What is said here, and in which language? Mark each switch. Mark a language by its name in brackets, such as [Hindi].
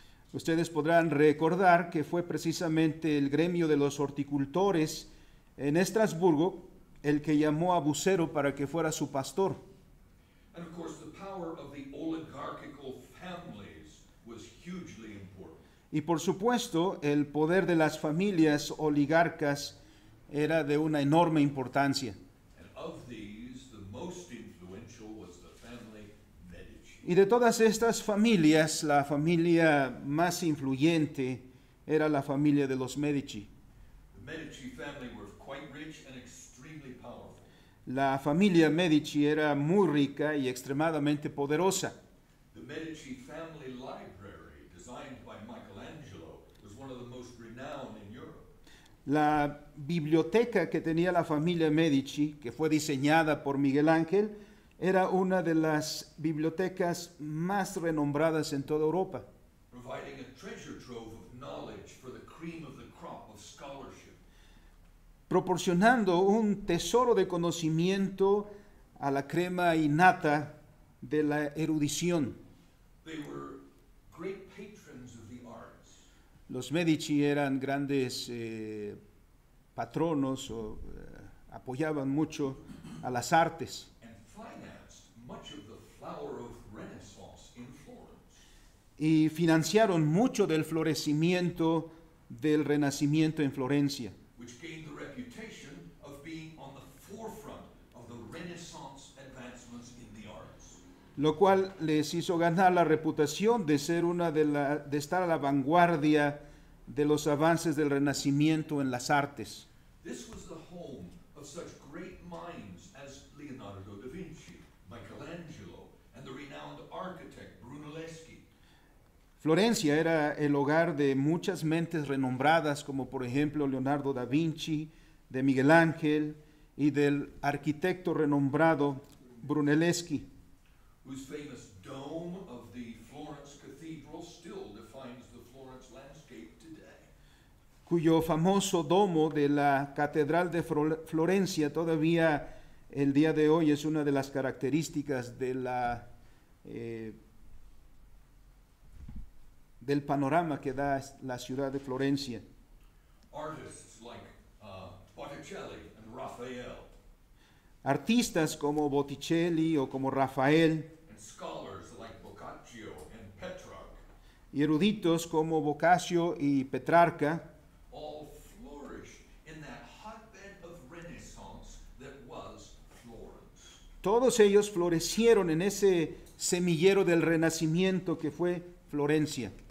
[Spanish] Ustedes podrán recordar que fue precisamente el gremio de los horticultores en Estrasburgo el que llamó a Bucero para que fuera su pastor. [English] And of course the power of the oligarchical families was hugely important. [Spanish] Y por supuesto, el poder de las familias oligarcas era de una enorme importancia. [English] And of these, the most influential was the family Medici. [Spanish] Y de todas estas familias, la familia más influyente era la familia de los Medici. [English] The Medici family were quite rich and extremely powerful. [Spanish] La familia Medici era muy rica y extremadamente poderosa. [English] The Medici family library, designed by Michelangelo, was one of the most renowned in Europe. [Spanish] La biblioteca que tenía la familia Medici, que fue diseñada por Miguel Ángel, era una de las bibliotecas más renombradas en toda Europa. [English] Providing a treasure trove of knowledge for the cream of the crop of scholarship. [Spanish] Proporcionando un tesoro de conocimiento a la crema innata de la erudición. [English] They were great patrons of the arts. [Spanish] Los Medici eran grandes patronos o apoyaban mucho a las artes. [English] And financed much of the flower of Renaissance in Florence. [Spanish] Y financiaron mucho del florecimiento del Renacimiento en Florencia. [English] Which gained the reputation of being on the forefront of the Renaissance advancements in the arts. [Spanish] Lo cual les hizo ganar la reputación de ser una de la de estar a la vanguardia de los avances del Renacimiento en las artes. [English] This was the home of such great minds as Leonardo da Vinci, Michelangelo, and the renowned architect Brunelleschi. [Spanish] Florencia era el hogar de muchas mentes renombradas, como por ejemplo Leonardo da Vinci, de Miguel Ángel y del arquitecto renombrado Brunelleschi, [English] whose famous dome of the Florence Cathedral still defines the Florence landscape today. [Spanish] Cuyo famoso domo de la Catedral de Florencia todavía el día de hoy es una de las características de la del panorama que da la ciudad de Florencia. [English] Artists like Botticelli and Raphael. [Spanish] Artistas como Botticelli o como Rafael. [English] And scholars like Boccaccio and Petrarch. [Spanish] Y eruditos como Boccaccio y Petrarca. [English] All flourished in that hotbed of Renaissance that was Florence. [Spanish] Todos ellos florecieron en ese semillero del Renacimiento que fue Florencia.